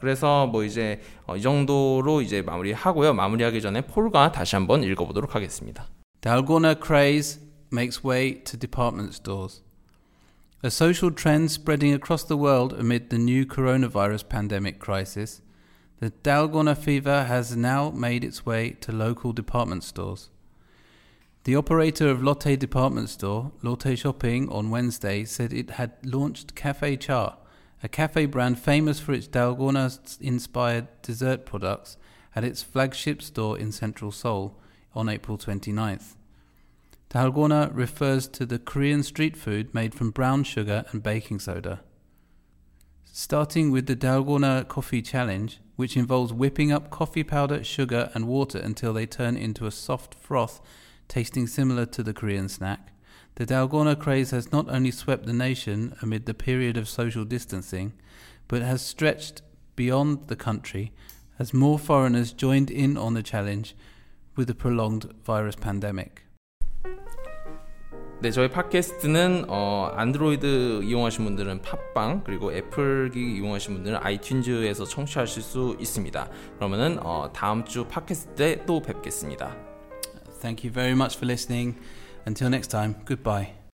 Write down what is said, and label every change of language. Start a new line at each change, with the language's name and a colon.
Korean: 그래서 뭐 이제 이 정도로 이제 마무리하고요. 마무리하기 전에 폴과 다시 한번 읽어보도록 하겠습니다.
English: Dalgona craze makes way to department stores. A social trend spreading across the world amid the new coronavirus pandemic crisis, the Dalgona fever has now made its way to local department stores. The operator of Lotte department store, Lotte Shopping, on Wednesday said it had launched Cafe Char, a cafe brand famous for its Dalgona-inspired dessert products, at its flagship store in central Seoul on April 29th. Dalgona refers to the Korean street food made from brown sugar and baking soda. Starting with the Dalgona coffee challenge, which involves whipping up coffee powder, sugar, and water until they turn into a soft froth tasting similar to the Korean snack, the Dalgona craze has not only swept the nation amid the period of social distancing, but has stretched beyond the country as more foreigners joined in on the challenge with the prolonged virus pandemic.
Korean: 네, 저희 팟캐스트는 안드로이드 이용하신 분들은 팟빵, 그리고 애플기 이용하신 분들은 아이튠즈에서 청취하실 수 있습니다. 그러면은 다음 주 팟캐스트 때 또 뵙겠습니다.
English: Thank you very much for listening. Until next time, goodbye.